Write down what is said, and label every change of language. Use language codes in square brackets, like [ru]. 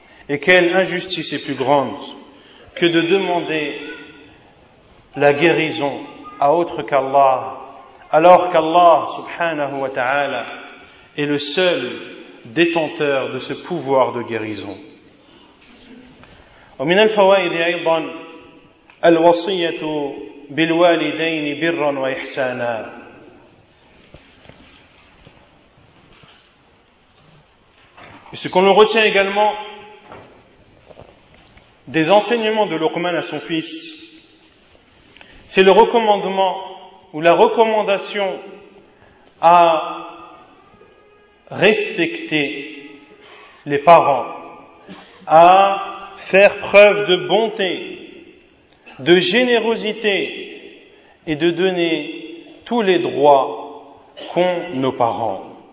[fr] Et quelle injustice est plus grande que de demander la guérison à autre qu'Allah, alors qu'Allah subhanahu wa ta'ala est le seul détenteur de ce pouvoir de guérison. [ar] ومن الفوائد أيضا الوصية بالوالدين برا وإحسانا. [fr] Et ce qu'on le retient également des enseignements de Luqman à son fils, c'est le recommandement ou la recommandation à respecter les parents, à faire preuve de bonté, de générosité et de donner tous les droits qu'ont nos parents.